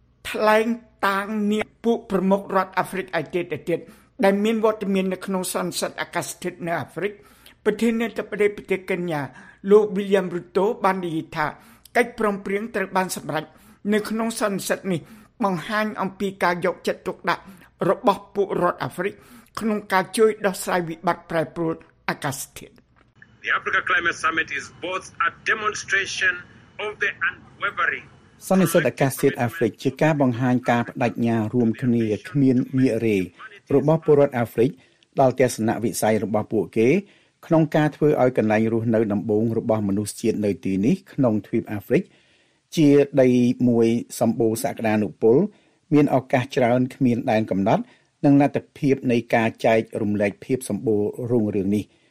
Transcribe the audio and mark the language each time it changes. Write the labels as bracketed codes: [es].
[km] ថ្លែងតាងនាយកពួកប្រមុខរដ្ឋអាហ្វ្រិកអតីតទៀតដែលមានវត្តមាននៅក្នុងសន្និសីទអាកាសធាតុនៅអាហ្វ្រិកប្រធានាធិបតីប្រទេសកេនយ៉ាលោក William Ruto បាននិយាយថាកិច្ចព្រមព្រៀងត្រូវបានសម្រេចនៅក្នុងសន្និសីទនេះបង្ហាញអំពីការយកចិត្តទុកដាក់របស់ពួករដ្ឋអាហ្វ្រិកក្នុងការជួយដោះស្រាយវិបត្តិប្រែប្រួលអាកាសធាតុ [en] The Africa Climate Summit is both a demonstration of the unwavering [km] សន្និសីទអាកាសធាតុអាហ្វ្រិកជាការបង្ហាញការបដិញ្ញារួមគ្នាគ្មានងាករេរបស់ពលរដ្ឋអាហ្វ្រិកដល់ទស្សនៈវិស័យរបស់ពួកគេ ក្នុងការធ្វើឲ្យកន្លែងរស់នៅដំបូងរបស់មនុស្សជាតិនៅទីនេះក្នុងទ្វីបអាហ្វ្រិកជាដីមួយសម្បូរសក្តានុពលមានឱកាសច្រើនគ្មានដែនកំណត់និងលទ្ធភាពនៃការចែករំលែកភាពសម្បូររុងរឿងនេះ